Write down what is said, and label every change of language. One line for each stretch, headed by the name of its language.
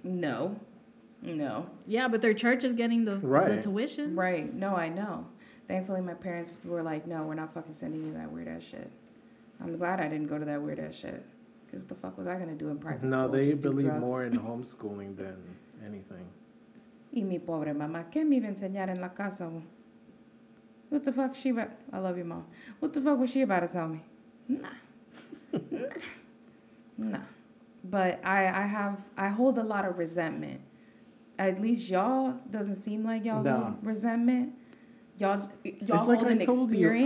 English: No. No. Yeah, but their church is getting the tuition. Right. No, I know. Thankfully, my parents were like, no, we're not fucking sending you that weird-ass shit. I'm glad I didn't go to that weird-ass shit. Because the fuck was I going to do in private school? No, they believe more in homeschooling than anything.
Spanish: Y mi pobre mamá, ¿qué me iba a enseñar en la casa?
English: What the fuck she about? I love you, mom. What the fuck was she about to tell me? Nah. Nah. But I hold a lot of resentment. At least y'all doesn't seem like y'all hold resentment. Y'all like hold an experience.